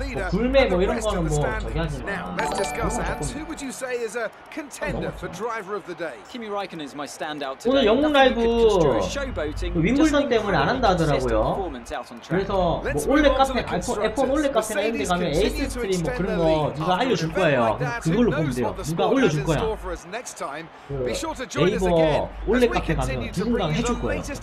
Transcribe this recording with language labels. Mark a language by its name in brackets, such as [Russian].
[Korean] 굴매 뭐 이런 거는 뭐 저기 하지 마. [English] Now, let's discuss that. Who would you say is a contender for driver of the day? Kimi Raikkonen is my standout today. [Korean] 오늘 영웅 라이브 윙블던 때문에 안 한다더라고요. 그래서 뭐 올레 카페 F1 올레 카페 이런 데 가면 에이스 스트림 뭐 그런 거 누가 알려줄 거예요. 그걸로 보면 돼요. 누가 올려줄 거야. 뭐 네이버 올레 카페 가면 누군가가 해줄 거예요.